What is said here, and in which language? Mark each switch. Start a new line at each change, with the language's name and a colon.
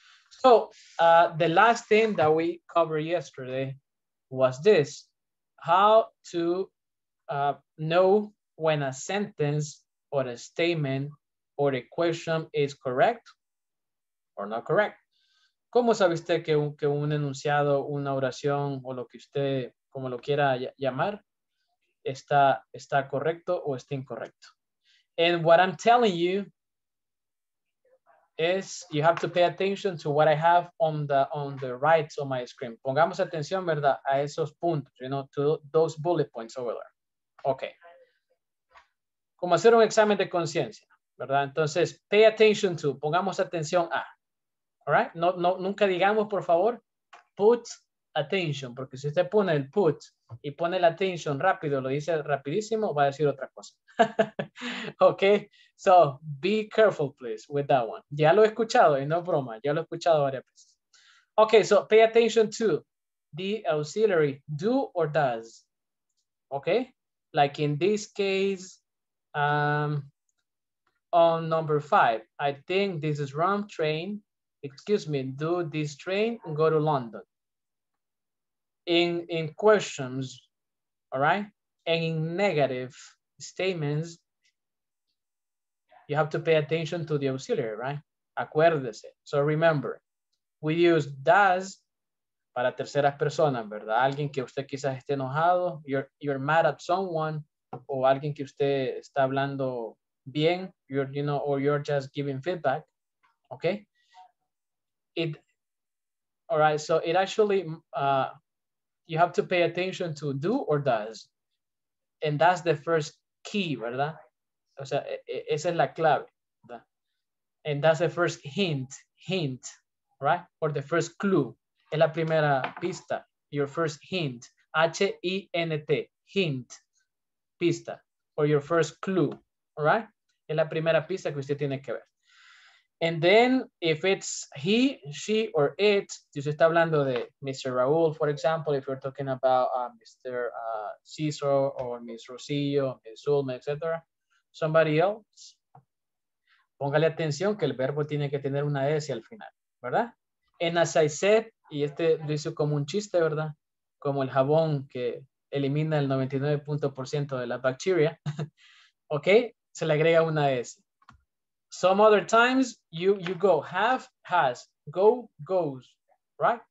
English: So the last thing that we covered yesterday was this, how to know when a sentence or a statement or a question is correct or not correct.
Spanish: ¿Cómo sabe usted que un enunciado, una oración o lo que usted, como lo quiera llamar, está correcto o está incorrecto?
English: And what I'm telling you is you have to pay attention to what I have on the right of my screen.
Spanish: Pongamos atención, ¿verdad? A esos puntos,
English: you know, to those bullet points over there. Okay.
Spanish: Como hacer un examen de conciencia, ¿verdad? Entonces,
English: pay attention to,
Spanish: pongamos atención a.
English: All right?
Spanish: No, nunca digamos, por favor, put attention, porque si usted pone el put y pone la attention rápido, lo dice rapidísimo, va a decir otra cosa. Okay?
English: So, be careful, please, with that one.
Spanish: Ya lo he escuchado, y no es broma, ya lo he escuchado varias veces.
English: Okay, so pay attention to the auxiliary, do or does. Okay? Like in this case, on number 5, I think this is wrong train. Excuse me, do this train go to London? In questions, all right? And in negative statements, you have to pay attention to the auxiliary, right?
Spanish: Acuérdese.
English: So remember, we use does
Spanish: para terceras personas, ¿verdad? Alguien que usted quizás esté enojado,
English: you're mad at someone,
Spanish: o alguien que usted está hablando bien,
English: or you're just giving feedback, okay? You have to pay attention to do or does. And that's the first key,
Spanish: ¿verdad? O sea, esa es la clave, ¿verdad?
English: And that's the first hint, right? Or the first clue.
Spanish: Es la primera pista.
English: Your first hint. H-I-N-T. Hint. Pista. Or your first clue. Right?
Spanish: Es la primera pista que usted tiene que ver.
English: And then, if it's he, she, or it,
Spanish: si usted está hablando de Mr.
English: Raul, for example, if you're talking about Mr. Cesar or Ms. Rocío, Ms.
Spanish: Zulma, etc.,
English: somebody else,
Spanish: póngale atención que el verbo tiene que tener una S al final, ¿verdad?
English: And as I said,
Spanish: y este lo hizo como un chiste, ¿verdad? Como el jabón que elimina el 99% de la bacteria, ¿ok? Se le agrega una S.
English: Some other times you go have, has, go, goes, right?